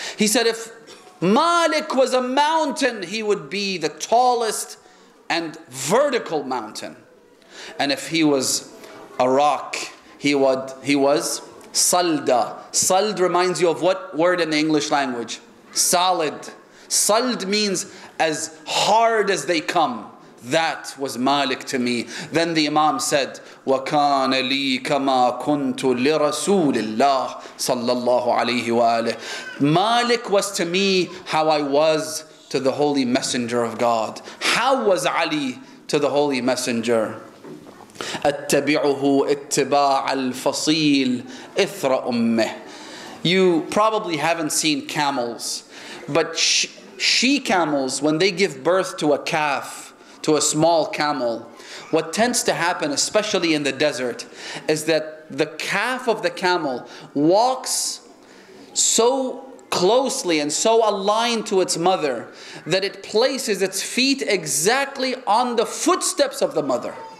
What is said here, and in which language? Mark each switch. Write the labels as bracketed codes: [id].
[en] He said, if Malik was a mountain, he would be the tallest and vertical mountain. And if he was a rock, he was salda. Sald reminds you of what word in the English language? Solid. Sald means as hard as they come. That was Malik to me. Then the Imam said, [ar] وَكَانَ لِي كَمَا كُنْتُ لِرَسُولِ اللَّهِ صَلَّى اللَّهُ عَلَيْهِ وَآلِهِ. [en] Malik was to me how I was to the Holy Messenger of God. How was Ali to the Holy Messenger? [ar] أَتَّبِعُهُ اتِّبَاعَ الْفَصِيلِ إِثْرَ أُمِّهِ. [en] You probably haven't seen camels, but she camels, when they give birth to a calf, to a small camel, what tends to happen, especially in the desert, is that the calf of the camel walks so closely and so aligned to its mother that it places its feet exactly on the footsteps of the mother.